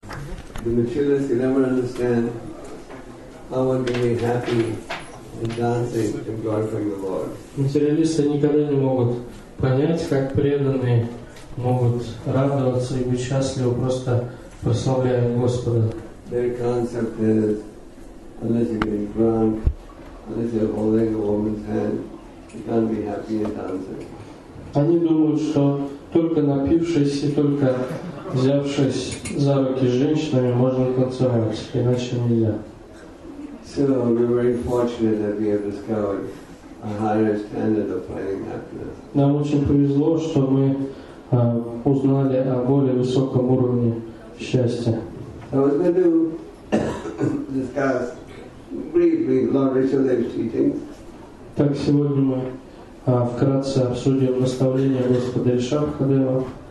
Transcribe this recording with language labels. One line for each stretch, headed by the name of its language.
English: The materialists can never understand how one can be happy and dancing and glorifying the Lord.
Russian: Материалисты никогда не могут понять, как преданные могут радоваться и быть счастливы, просто прославляя Господа.
English: Their concept is, unless you're getting drunk, unless you're holding a woman's hand, you can't be happy and dancing.
Russian: Они думают, что только напившись и только взявшись за руки с женщинами, можно танцевать, иначе нельзя.
English: So we're very fortunate that we have discovered a higher standard of finding happiness.
Russian: Нам очень повезло, что мы узнали о более высоком уровне счастья.
English: I was going to discuss briefly Lord Rishabhadev's teachings.
Russian: Так сегодня мы вкратце обсудим наставления Господа Ришабхадева.